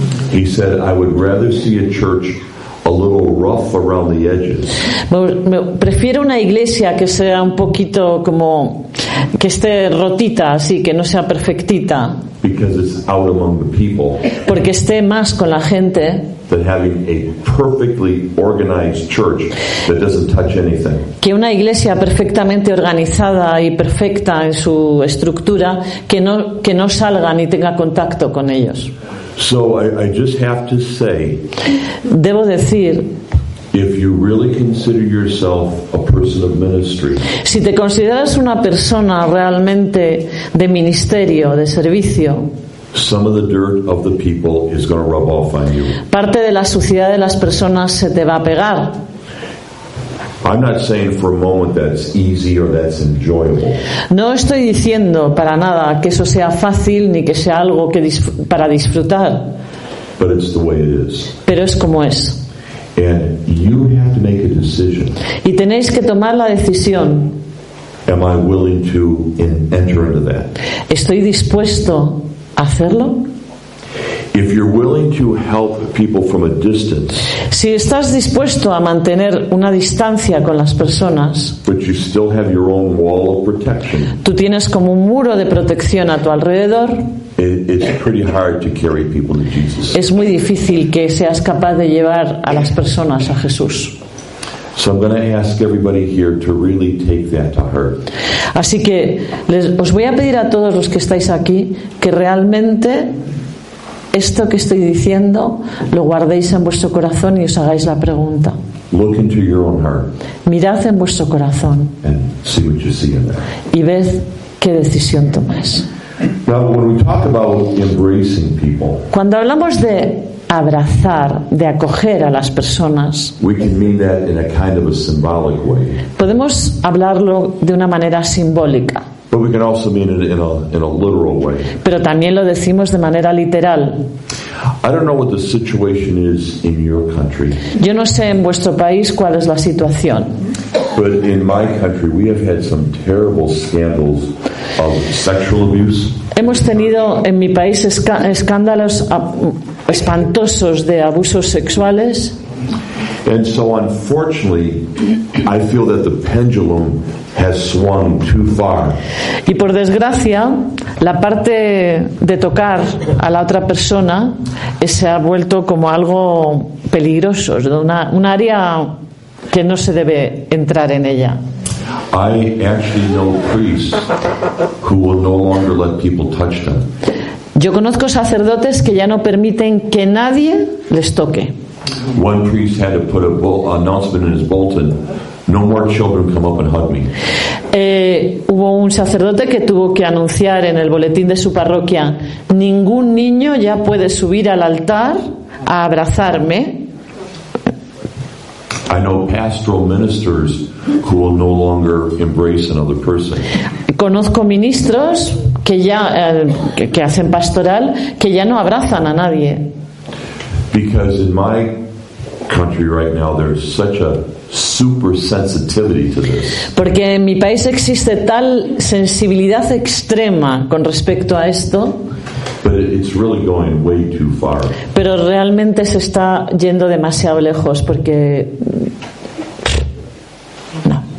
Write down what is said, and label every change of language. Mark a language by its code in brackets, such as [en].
[en] He said, I would rather see a church a little rough around the edges. [es] Prefiero una iglesia que sea un poquito como que esté rotita, así que no sea perfectita. [en] Because it's out among the people. [es] Porque esté más con la gente. [en] Than having a perfectly organized church that doesn't touch anything. [es] Que una iglesia perfectamente organizada y perfecta en su estructura que no salga ni tenga contacto con ellos. [en] So I just have to say, [es] debo decir, [en] if you really consider yourself a person of ministry, [es] si te consideras una persona realmente de ministerio, de servicio, [en] some of the dirt of the people is going to rub off on you. [es] Parte de la suciedad de las personas se te va a pegar. [en] I'm not saying for a moment that it's easy or that's enjoyable. [es] No estoy diciendo para nada que eso sea fácil ni que sea algo que para disfrutar. [en] But it's the way it is. [es] Pero es como es. [en] And you have to make a decision. [es] Y tenéis que tomar la decisión. [en] Am I willing to enter into that? [es] Estoy dispuesto a hacerlo. [en] If you're willing to help people from a distance, [es] si estás dispuesto a mantener una distancia con las personas, [en] but you still have your own wall of protection, [es] tú tienes como un muro de protección a tu alrededor, [en] it's pretty hard to carry people to Jesus. [es] Es muy difícil que seas capaz de llevar a las personas a Jesús. [en] So I'm going to ask everybody here to really take that to heart. [es] Así que os voy a pedir a todos los que estáis aquí que realmente esto que estoy diciendo lo guardéis en vuestro corazón y os hagáis la pregunta. [en] Look into your own heart. [es] Mirad en vuestro corazón. [en] And see what you see in there. [es] Y ved qué decisión tomáis. [en] Now, when we talk about embracing people, [es] cuando hablamos de abrazar, de acoger a las personas, [en] we can mean that in a kind of a symbolic way. [es] Podemos hablarlo de una manera simbólica. [en] But we can also mean it in a literal way. [es] Pero también lo decimos de manera literal. [en] I don't know what the situation is in your country. [es] Yo no sé en vuestro país cuál es la situación. [en] But in my country, we have had some terrible scandals of sexual abuse. [es] Hemos tenido en mi país escándalos espantosos de abusos sexuales. [en] And so unfortunately, I feel that the pendulum has swung too far. [es] Y por desgracia, la parte de tocar a la otra persona se ha vuelto como algo peligroso, un área que no se debe entrar en ella. [en] I actually know priests who will no longer let people touch them. [es] Yo conozco sacerdotes que ya no permiten que nadie les toque. [en] One priest had to put an announcement in his bulletin: no more children come up and hug me. [es] Hubo un sacerdote que tuvo que anunciar en el boletín de su parroquia: ningún niño ya puede subir al altar a abrazarme. [en] I know pastoral ministers who will no longer embrace another person. [es] Conozco ministros que ya que hacen pastoral que ya no abrazan a nadie. [en] Because in my country right now, there's such a super sensitivity to this. [es] Porque en mi país existe tal sensibilidad extrema con respecto a esto. [en] But it's really going way too far. [es] Pero realmente se está yendo demasiado lejos porque no.